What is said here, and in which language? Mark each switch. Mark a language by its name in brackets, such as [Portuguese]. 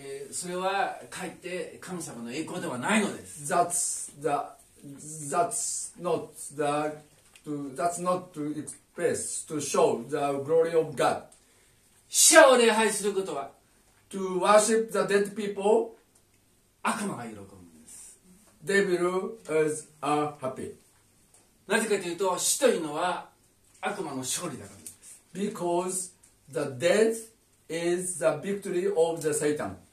[Japanese] それはかえって神様の栄光ではないのです。 [English] That's not its place to show the glory of God. [Japanese] 死者を礼拝することは。 [English] To worship the dead people, [Japanese] 悪魔が喜ぶんです。 [English] Devil is happy. [Japanese] なぜかというと、死というのは悪魔の勝利だからです。 [English] Because the dead is the victory of the Satan.